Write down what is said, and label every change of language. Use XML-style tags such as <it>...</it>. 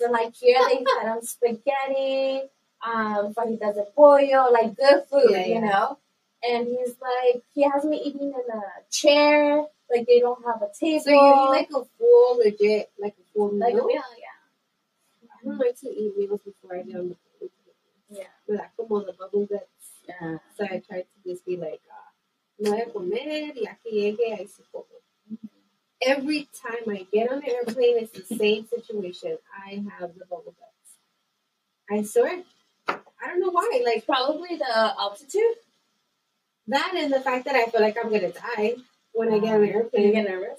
<en>And, like, here they fed him spaghetti.</en> <es>Fajitas de pollo.</es> <en>Like, good food, you know? And he's like, he has me eating in a chair. Like, they don't have a table. So, you need, like, a full, legit, like, a full meal? Like, yeah. I don't like to eat meals before I get on the plane. Yeah. But I come on the bubble bits. Yeah. So I try to just be like,</en> <es>no voy a comer, y aquí llegué, ahí se come.</es> <en>Every time I get on the airplane, it's the same situation. I have the bubble bits. I swear. I don't know why. Like, probably the altitude. That and the fact that I feel like I'm going to die when I get on the airplane. You get nervous?</en>